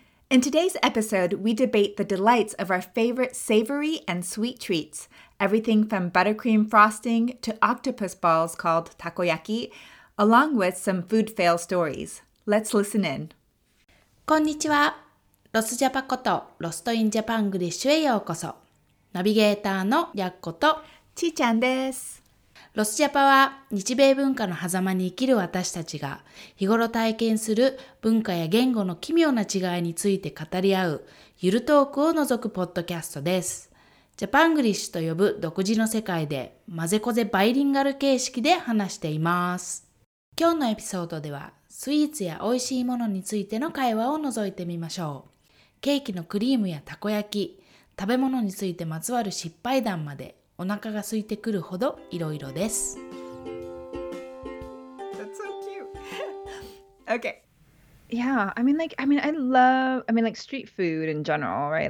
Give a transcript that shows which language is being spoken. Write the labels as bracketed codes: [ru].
[en] In today's episode, we debate the delights of our favorite savory and sweet treats, everything from buttercream frosting to octopus balls called takoyaki, along with some food fail stories. Let's listen in. [ja] Konnichiwa. Lostjapa koto Lost in Japanglish へようこそ。ナビゲーターのやっことちーちゃんです。ロスジャパは日米文化の狭間に生きる私たちが日頃体験する文化や言語の奇妙な違いについて語り合うゆるトークを除くポッドキャストです。ジャパングリッシュと呼ぶ独自の世界でまぜこぜバイリンガル形式で話しています。今日のエピソードではスイーツや美味しいものについての会話を覗いてみましょう。ケーキのクリームやたこ焼き、食べ物についてまつわる失敗談まで、お腹が空いてくるほどいろいろです。 [en] That's so cute. Okay. Yeah, I mean, street food in general, right?